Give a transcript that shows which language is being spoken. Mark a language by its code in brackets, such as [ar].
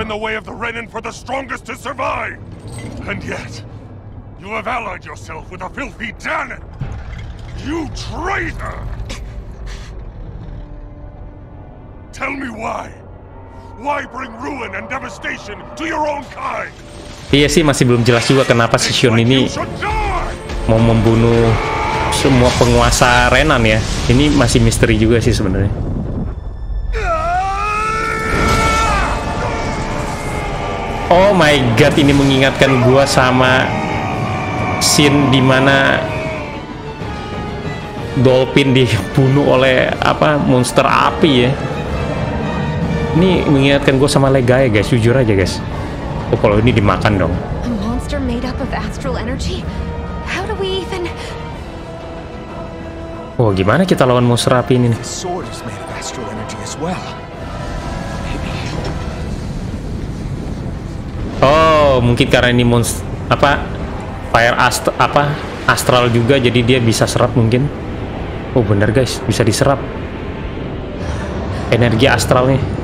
[en] It's been the way of the Renan for the strongest to survive. And yet, you have allied yourself with a filthy Danon. You traitor! Tell me why. Why bring ruin and devastation to your own kind? [id] Iya sih, masih belum jelas juga kenapa si Shun ini mau membunuh semua penguasa Renan ya. Ini masih misteri juga sih sebenarnya. Oh my god, ini mengingatkan gua sama scene di mana Dolphin dibunuh oleh apa monster api ya. Ini mengingatkan gua sama Legaya guys, jujur aja guys. Oh, kalau ini dimakan dong. [en] A monster made up of astral energy. How do we even... [id] Oh, gimana kita lawan monster api ini? [en] The sword is made of astral energy as well. Maybe. [id] Oh, mungkin karena ini monster apa fire astral juga, jadi dia bisa serap mungkin. Oh, benar guys, bisa diserap energi astralnya.